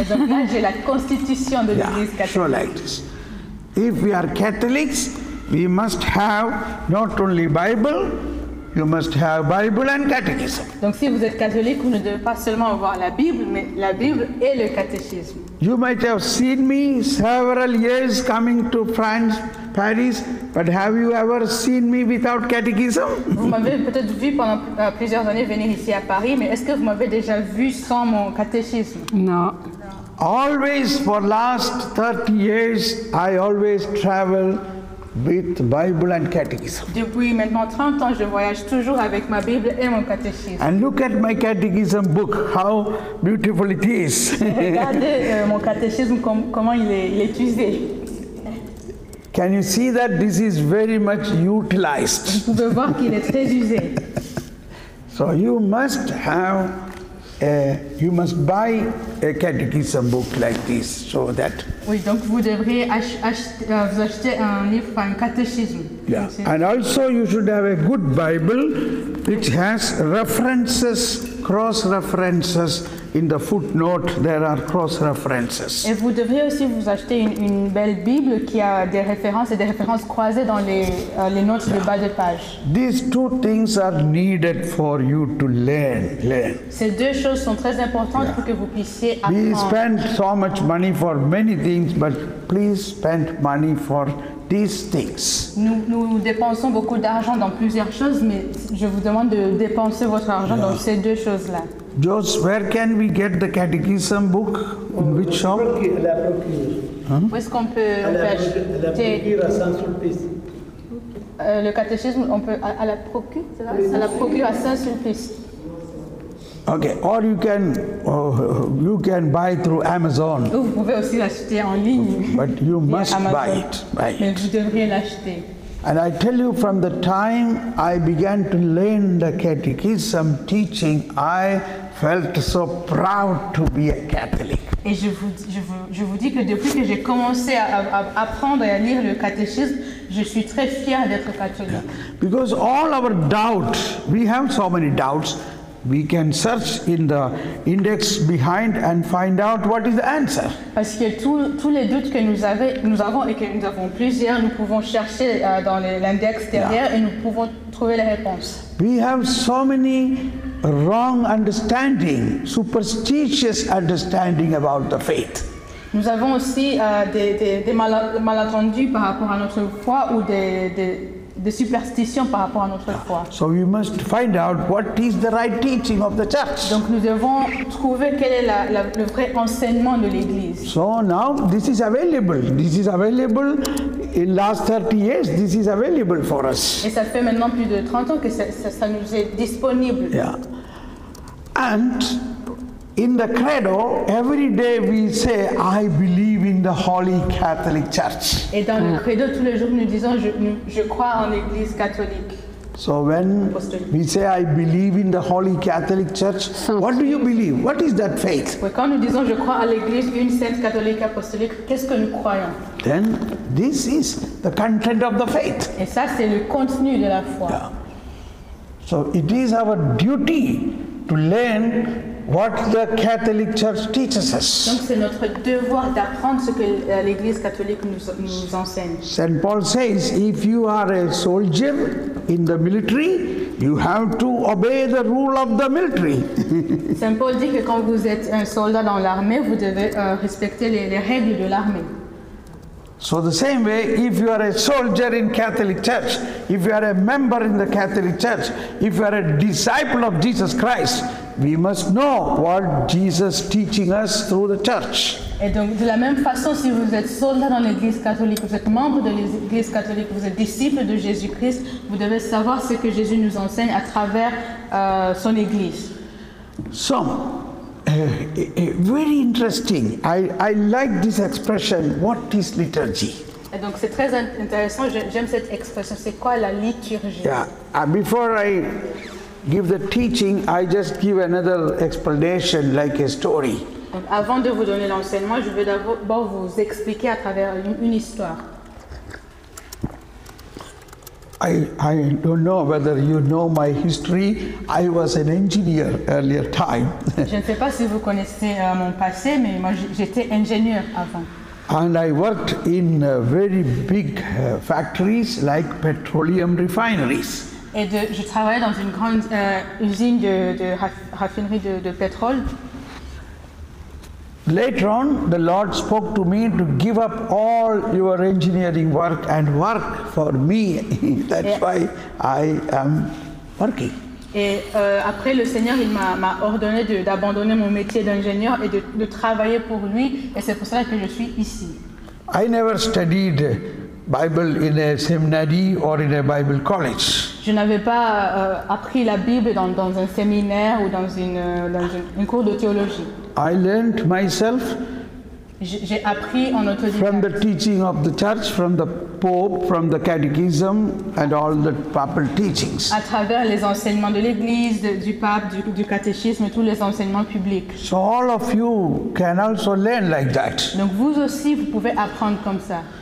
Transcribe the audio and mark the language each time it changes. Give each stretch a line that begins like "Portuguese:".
French: Donc là, j'ai la constitution de l'Église catholique.
English: Yeah, so like this. If we are Catholics, we must have not only Bible. You must have Bible and catechism.
French: Donc si vous êtes catholique, vous ne devez pas seulement avoir la Bible, mais la Bible et le catéchisme.
English: You might have seen me several years coming to France, Paris, but have you ever seen me without catechism?
French: Vous m'avez peut-être vu pendant plusieurs années venir ici à Paris, mais est-ce que vous m'avez déjà vu sans mon catéchisme? Non.
English: Always for last 30 years, I always travel with Bible and catechism.
French: Depuis maintenant 30 ans, je voyage toujours avec ma Bible et mon catéchisme.
English: And look at my catechism book, how beautiful it is.
French: Regardez mon catéchisme, comment il est usé.
English: Can you see that this is very much utilized?
French: Vous pouvez voir qu'il est très usé.
English: So you must have you must buy a catechism book like this, so that.
French: Oui, donc vous devriez acheter un livre, enfin, un catéchisme.
English: Yeah, and also you should have a good Bible, which has references, cross references. In the footnote, there are cross references.
French: Et vous devriez aussi vous acheter une belle Bible qui a des références et des références croisées dans les notes de bas de page.
English: These two things are needed for you to learn.
French: Ces deux choses sont très importantes pour que vous puissiez apprendre.
English: We spend so much money for many things, but please spend money for these things.
French: Nous dépensons beaucoup d'argent dans plusieurs choses, mais je vous demande de dépenser votre argent dans ces deux choses-là.
English: Joseph, where can we get the catechism book? In which shop?
French: Où est-ce qu'on peut acheter le catéchisme? On peut à la procure, c'est ça? À la procure à Saint-Sulpice.
English: Okay, or you can buy through Amazon.
French: Ou vous pouvez aussi l'acheter en ligne.
English: But you must buy it.
French: Mais vous devriez l'acheter.
English: And I tell you, from the time I began to learn the catechism teaching, I felt so proud to be a Catholic.
French: Et je vous dis que depuis que j'ai commencé à apprendre et à lire le catéchisme, je suis très fière d'être catholique.
English: Yeah. Because all our doubts, we have so many doubts, we can search in the index behind and find out what is the answer.
French: Parce que tous les doutes que nous avons et que nous avons plusieurs, nous pouvons chercher dans l'index derrière, yeah, et nous pouvons trouver la réponse.
English: We have so many wrong understanding, superstitious understanding about the faith.
French: Nous avons aussi des malentendus par rapport à notre foi ou des superstitions par rapport à notre foi.
English: So we must find out what is the right teaching of the church.
French: Donc nous devons trouver quel est le vrai enseignement de l'Église.
English: So now this is available. This is available in last 30 years. This is available for us.
French: Et ça fait maintenant plus de 30 ans que ça nous est disponible.
English: Yeah. And in the credo, every day we say, "I believe in the Holy Catholic Church."
French: Et dans le credo, tous les jours nous disons, je crois en l'Église catholique.
English: So when we say, "I believe in the Holy Catholic Church," what do you believe? What is that faith?
French: Quand nous disons, je crois à l'Église une sainte catholique apostolique, qu'est-ce que nous croyons?
English: Then this is the content of the faith.
French: Et ça, c'est le contenu de la foi.
English: Yeah. So it is our duty to learn what the Catholic Church teaches us.
French: Donc c'est notre devoir d'apprendre ce que l'Église catholique nous enseigne.
English: Saint Paul says, if you are a soldier in the military, you have to obey the rule of the military.
French: Saint Paul dit que quand vous êtes un soldat dans l'armée, vous devez respecter les règles de l'armée.
English: So the same way, if you are a soldier in Catholic Church, if you are a member in the Catholic Church, if you are a disciple of Jesus Christ, we must know what Jesus is teaching us through the Church.
French: Et donc, de la même façon, si vous êtes soldat dans l'Église catholique, vous êtes membre de l'Église catholique, vous êtes disciple de Jésus-Christ, vous devez savoir ce que Jésus nous enseigne à travers son Église.
English: So, very interesting. I like this expression. What is liturgy?
French: Et donc c'est très intéressant. J'aime cette expression. C'est quoi la liturgie?
English: Yeah. Before I give the teaching, I just give another explanation, like a story.
French: Donc avant de vous donner l'enseignement, je vais d'abord vous expliquer à travers une histoire.
English: I don't know whether you know my history. I was an engineer earlier time.
French: Je ne sais pas si vous connaissez mon passé, mais moi j'étais ingénieur avant.
English: And I worked in very big factories like petroleum refineries.
French: Et je travaillais dans une grande usine de raffinerie de pétrole.
English: Later on, the Lord spoke to me to give up all your engineering work and work for me. That's why I am working.
French: Et après, le Seigneur il m'a ordonné d'abandonner mon métier d'ingénieur et de travailler pour lui. Et c'est pour cela que je suis ici.
English: I never studied Bible in a seminary or in a Bible college.
French: Je n'avais pas appris la Bible dans un séminaire ou dans une cours de théologie.
English: I learned myself.
French: J'ai appris en autodidacte.
English: From the teaching of the church, from the Pope, from the catechism, and all the papal teachings.
French: À travers les enseignements de l'Église, du pape, du catéchisme, tous les enseignements publics.
English: So all of you can also learn like that.
French: Donc vous aussi, vous pouvez apprendre comme ça.